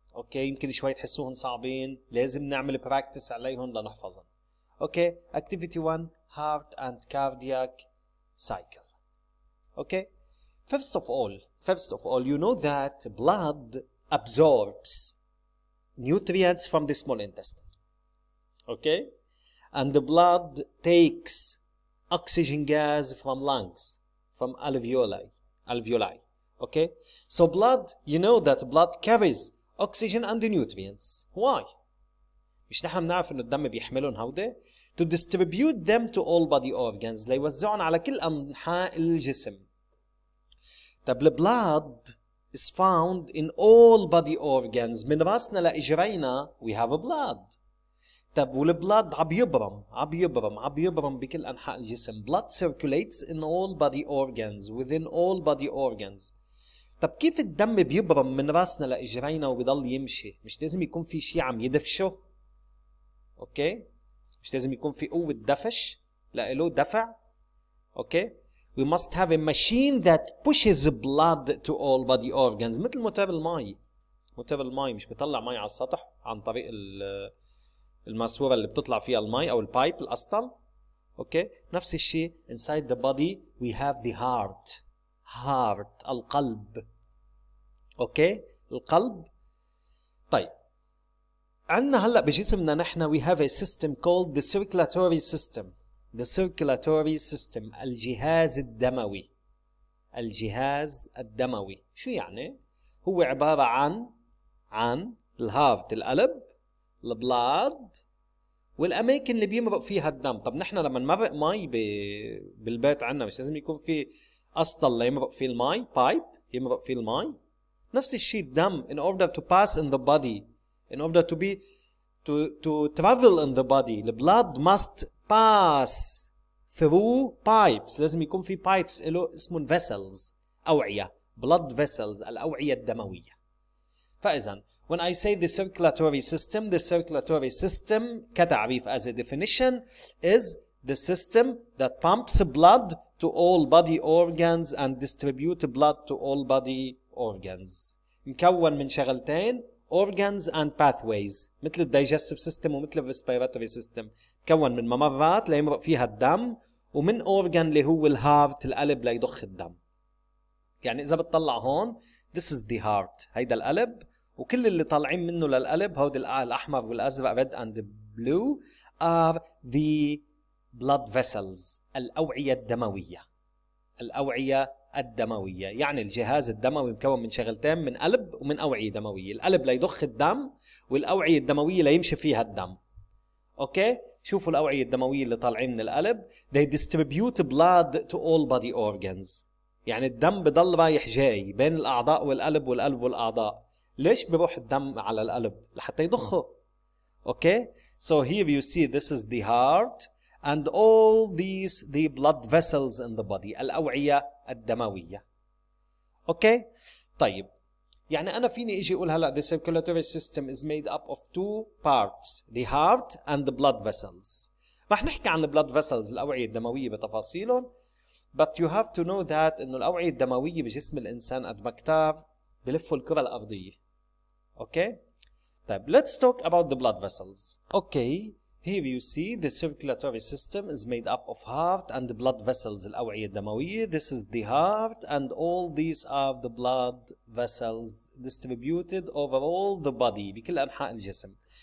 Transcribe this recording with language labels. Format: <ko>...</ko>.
<ar>Okay, يمكن شوي تحسوهن صعبين لازم نعمل practice عليهم لنحفظهم.</ar> <en>Okay, activity one heart and cardiac cycle. Okay, first of all you know that blood absorbs nutrients from the small intestine. Okay, and the blood takes oxygen gas from lungs, from alveoli. Okay, so blood, you know that blood carries oxygen and the nutrients. Why?</en> <ar>مش نحن بنعرف انه الدم بيحملهم هودي</ar> <en>to distribute them to all body organs.</en> <ar>ليوزعهم على كل انحاء الجسم.</ar> <en>طب the blood is found in all body organs.</en> <ar>من راسنا لاجرينا</ar> <en>we have a blood.</en> <ar>طب والبلاد عم يبرم بكل انحاء الجسم.</ar> <en>Blood circulates in all body organs, within all body organs.</en> <ar>طب كيف الدم بيبرم من راسنا لاجرينا وبيضل يمشي؟ مش لازم يكون في شيء عم يدفشه؟ اوكي؟ مش لازم يكون في قوة دفش لإله دفع؟ اوكي؟</ar> <en>We must have a machine that pushes blood to all body organs.</en> <ar>مثل موتور المي. موتور المي مش بيطلع مي على السطح عن طريق ال الماسوره اللي بتطلع فيها المي او البايب الاسطل. اوكي، نفس الشيء</ar> <en>inside the body we have the heart القلب.</en> <ar>اوكي، القلب. طيب عندنا هلا بجسمنا نحن</ar> <en>we have a system called the circulatory system. The circulatory system</en> <ar>الجهاز الدموي شو يعني؟ هو عباره عن الهارت القلب البلاد والاماكن اللي بيمرق فيها الدم. طب نحن لما نمرق مي بالبيت عندنا مش لازم يكون في اسطل ليمرق فيه المي، بايب يمرق فيه المي. نفس الشيء الدم</ar> <en>in order to pass in the body, in order to be to travel in the body, the blood must pass through pipes.</en> <ar>لازم يكون في pipes له اسمهم vessels، اوعيه، blood vessels، الاوعيه الدمويه.</ar> <en>فاذا when I say the circulatory system كتعريف as a definition is the system that pumps blood to all body organs and distribute blood to all body organs.</en> <ar>مكون من شغلتين</ar> <en>organs and pathways</en> <ar>مثل digestive system ومثل respiratory system. مكون من ممرات ليمرق فيها الدم ومن organ اللي هو الهارت القلب ليضخ الدم. يعني إذا بتطلع هون</ar> <en>this is the heart</en> <ar>هيدا القلب وكل اللي طالعين منه للقلب هود الأحمر والأزرق</ar> <en>red and blue are the blood vessels</en> <ar>الأوعية الدموية. يعني الجهاز الدموي مكون من شغلتين من قلب ومن أوعية دموية. القلب ليضخ الدم والأوعية الدموية ليمشي فيها الدم. أوكي، شوفوا الأوعية الدموية اللي طالعين من القلب</ar> <en>they distribute blood to all body organs.</en> <ar>يعني الدم بضل رايح جاي بين الأعضاء والقلب والقلب والأعضاء. ليش بيروح الدم على القلب؟ لحتى يضخه.</ar> <en>Okay, so here you see this is the heart and all these the blood vessels in the body</en> <ar>الأوعية الدموية.</ar> <en>Okay,</en> <ar>طيب يعني أنا فيني إجي أقول هلأ</ar> <en>the circulatory system is made up of two parts the heart and the blood vessels.</en> <ar>رح نحكي عن the blood vessels الأوعية الدموية بتفاصيلهم</ar> <en>but you have to know that</en> <ar>إنه الأوعية الدموية بجسم الإنسان قد ما كتار بلفوا الكرة الأرضية.</ar> <en>Okay, طيب let's talk about the blood vessels. Okay, here you see the circulatory system is made up of heart and the blood vessels</en> <ar>الأوعية الدموية.</ar> <en>This is the heart and all these are the blood vessels distributed over all the body</en> <ar>بكل أنحاء الجسم.</ar>